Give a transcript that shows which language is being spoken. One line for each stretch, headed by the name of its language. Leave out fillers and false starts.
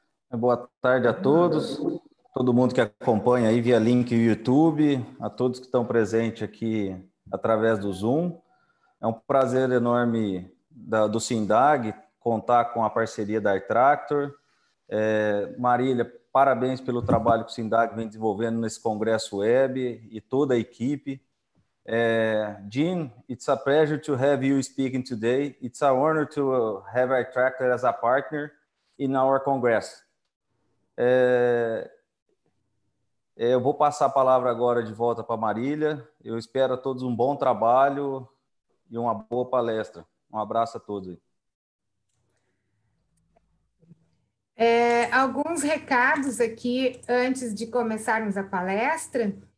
Portuguese: Boa tarde a todos, todo mundo que acompanha aí via link no YouTube, a todos que estão presentes aqui através do Zoom. É um prazer enorme do SINDAG contar com a parceria da Air Tractor. Marília, parabéns pelo trabalho que o SINDAG vem desenvolvendo nesse Congresso Web e toda a equipe.
English: Jim, it's a pleasure to have you speaking today. It's an honor to have Air Tractor as a partner in our Congress.
Portuguese: Eu vou passar a palavra agora de volta para a Marília. Eu espero a todos um bom trabalho e uma boa palestra. Um abraço a todos. Alguns recados aqui antes de começarmos a palestra.